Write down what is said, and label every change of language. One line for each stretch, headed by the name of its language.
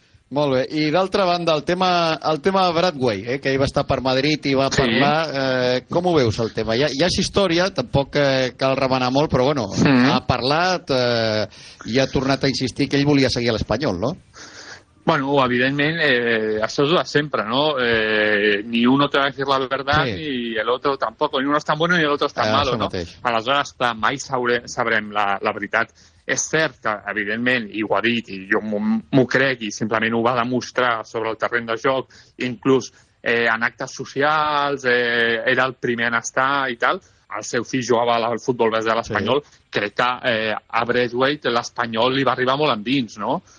Catalan: Molt bé. I d'altra banda, el tema Bradway, que ahir va estar per Madrid i va parlar. Com ho veus, el tema? Ja és història, tampoc cal remenar molt, però bueno, ha parlat i ha tornat a insistir que ell volia seguir a l'Espanyol, no? Bueno, evidentment, això és de sempre, no?
Spanish: Ni uno te va a decir la verdad ni el otro tampoco. Ni uno es tan bueno ni el otro es tan malo, no?
Catalan: Aleshores, clar, mai sabrem la veritat. És cert que, evidentment, i ho ha dit, i jo m'ho crec, i simplement ho va demostrar sobre el terreny de joc, inclús en actes socials, era el primer en estar i tal, el seu fill jugava al futbol base de l'Espanyol, crec que a Braithwaite l'Espanyol li va arribar molt endins, no?